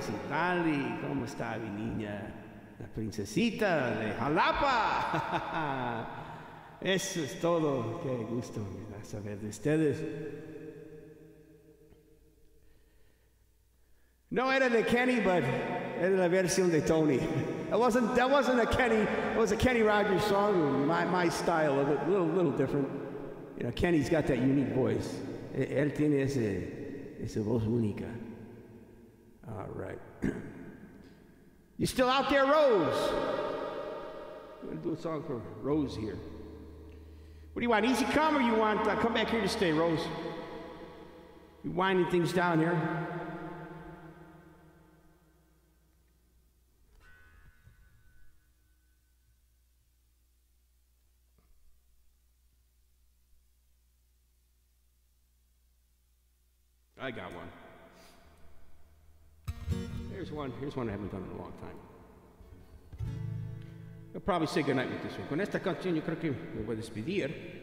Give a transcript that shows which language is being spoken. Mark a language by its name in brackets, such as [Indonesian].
[Spanish] Sigrali, ¿cómo está mi niña? La princesita de Jalapa. Eso es todo. Qué gusto saber de ustedes. No era de Kenny, [English] but [Spanish] era la versión de Tony. [English] That wasn't a Kenny, it was a Kenny Rogers song. My style of it, a little different. You know, Kenny's got that unique voice. [Spanish] Él tiene ese voz única. [English] All right. You still out there, Rose? I'm going to do a song for Rose here. What do you want, easy come, or you want to come back here to stay, Rose? You winding things down here? I got one. Here's one. Here's one I haven't done in a long time. You'll probably say goodnight with this one. [Spanish] Con esta canción yo creo que me voy a despedir.